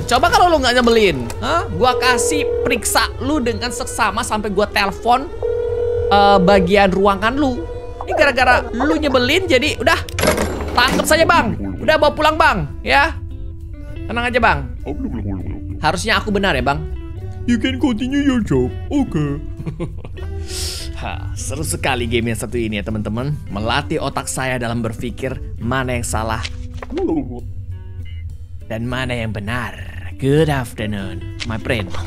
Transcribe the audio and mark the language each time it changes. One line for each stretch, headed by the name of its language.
Indonesian: Coba kalau lo nggak nyebelin, gua kasih periksa lu dengan seksama sampai gua telepon bagian ruangan lu. Ini gara-gara lu nyebelin, jadi udah tangkap saja bang. Udah bawa pulang bang, ya. Tenang aja bang. Harusnya aku benar ya bang.
English: You can continue your job, oke.
Indonesian: Seru sekali game yang satu ini ya teman-teman. Melatih otak saya dalam berpikir mana yang salah dan mana yang benar.
English: Good afternoon, my friend.